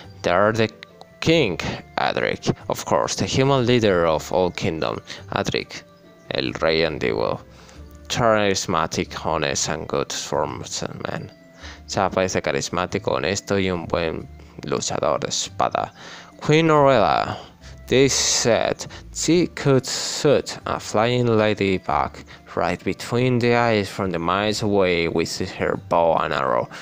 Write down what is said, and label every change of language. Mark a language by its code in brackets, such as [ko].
[en] There are the king, Adric, of course, the human leader of all kingdom, Adric, [es] el rey antiguo. [en] Charismatic, honest, and good swordsman. Man. [es] Se parece carismático, honesto y un buen luchador de espada. [en] Queen Aurella, they said she could shoot a flying ladybug right between the eyes from the miles away with her bow and arrow.